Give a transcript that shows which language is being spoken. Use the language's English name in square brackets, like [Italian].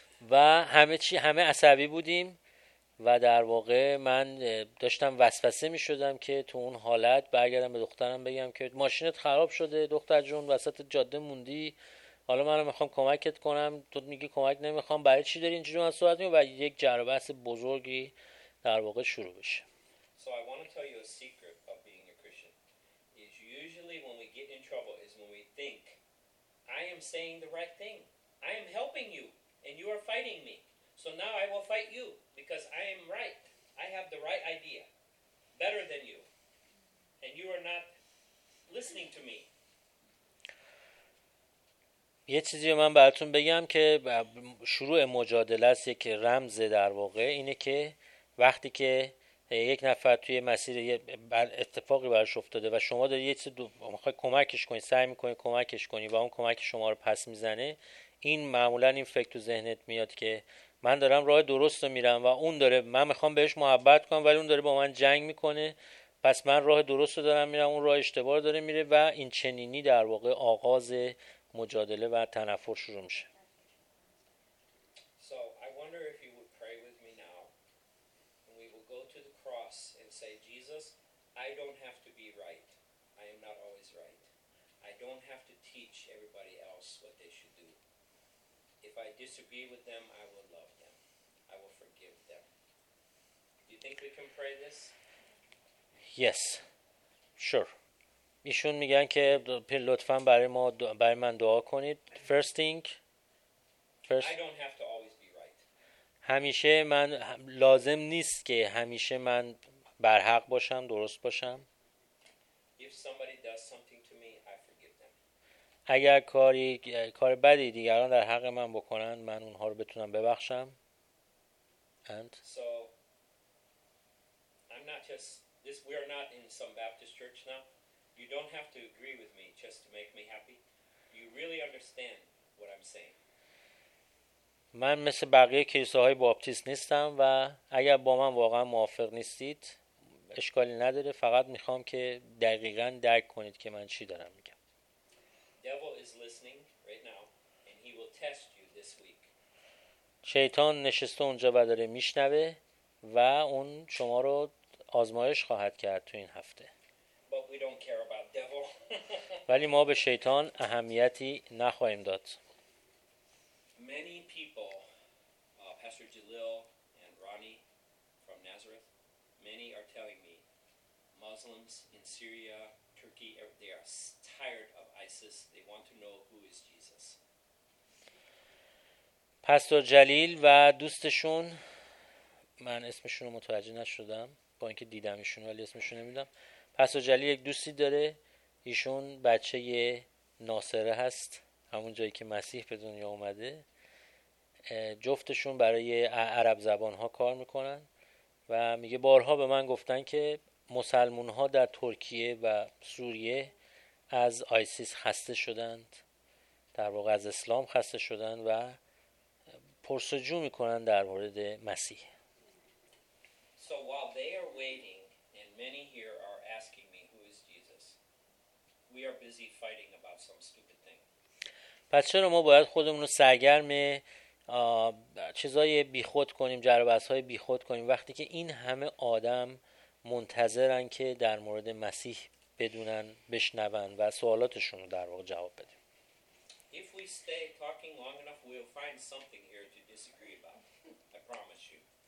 [Persian] و همه چی، همه عصبی بودیم و در واقع من داشتم وسوسه می شدم که تو اون حالت برگردم به دخترم بگم که ماشینت خراب شده دختر جون، وسط جاده موندی، حالا من رو میخوام کمکت کنم، تو میگی کمک نمیخوام، برای چی داری اینجوری من صحبت می‌کنی؟ و یک جر و بحث بزرگی در واقع شروع بشه. [English] So I want to tell you a secret of being a Christian is usually when we get in trouble is when we think I am saying the right thing, I am helping you and you are fighting me, so now I will fight you because I am right, I have the right idea better than you, and you are not listening to me. [Persian] یه چیزی من براتون بگم که شروع مجادله است، یک رمز در واقع اینه که وقتی که یک نفر توی مسیر اتفاقی براش افتاده و شما دارید یه چیز میخوای کمکش کنی، سعی میکنی کمکش کنی و اون کمک شما رو پس میزنه، این معمولاً این فکر تو ذهنت میاد که من دارم راه درست رو میرم و اون داره، من میخوام بهش محبت کنم ولی اون داره با من جنگ میکنه، پس من راه درست رو دارم میرم، اون راه اشتباه رو داره میره، و این چنینی در واقع آغاز مجادله و تنفر شروع میشه. [English] So I wonder if you would pray with me now and we will go to the cross and say, Jesus, I don't have to be right. I am not always right. I don't have to teach everybody else what they should do. If I disagree with them, I will love them. I will forgive them. Do you think we can pray this? Yes. Sure. [Persian] ایشون میگن که لطفاً برای ما، برای من دعا کنید. [English] First thing. I don't have to always be right. [Persian] همیشه من لازم نیست که همیشه من برحق باشم، درست باشم. [English] If somebody does something to me, I forgive them. [Persian] اگر کار بدی دیگران در حق من بکنن، من اونها رو بتونم ببخشم. [English] And so I'm not just this, we are not in some Baptist church now. You don't have to agree with me just to make me happy. You really understand what I'm saying. [Persian] من مثل بقیه کلیساهای باپتیست نیستم و اگر با من واقعا موافق نیستید اشکالی نداره، فقط میخوام که دقیقاً درک کنید که من چی دارم میگم. [English] Devil is listening right now and he will test you this week. [Persian] شیطان نشسته اونجا و داره میشنوه و اون شما رو آزمایش خواهد کرد تو این هفته. [English] But we don't care about devil. [Persian] ولی ما به شیطان اهمیتی نخواهیم داد. [English] Many people, Pastor Jalil and Ronnie from Nazareth, Many are telling me, Muslims in Syria, Turkey, they are tired of ISIS. They want to know who is Jesus. [Persian] پاستور جلیل و دوستشون، من اسمشون رو متوجه نشدم با اینکه دیدم ایشون ولی اسمشون نمیدونم. پاستور جلیل یک دوستی داره، ایشون بچه ناصره هست، همون جایی که مسیح به دنیا اومده. جفتشون برای عرب زبان ها کار میکنن و میگه بارها به من گفتن که مسلمون ها در ترکیه و سوریه از آیسیس خسته شدند، در واقع از اسلام خسته شدند و پرسجو میکنن در مورد مسیح. [English] So while they are waiting and many here are asking me who is Jesus, we are busy fighting about some stupid thing. [Persian] پس چرا ما باید خودمون رو سرگرم چیزای بیخود کنیم، جربسهای بیخود کنیم وقتی که این همه آدم منتظرن که در مورد مسیح بدونن، بشنون و سوالاتشون رو در واقع جواب بدن؟ [English] If we stay talking long enough, we'll find something here to disagree about. I promise you.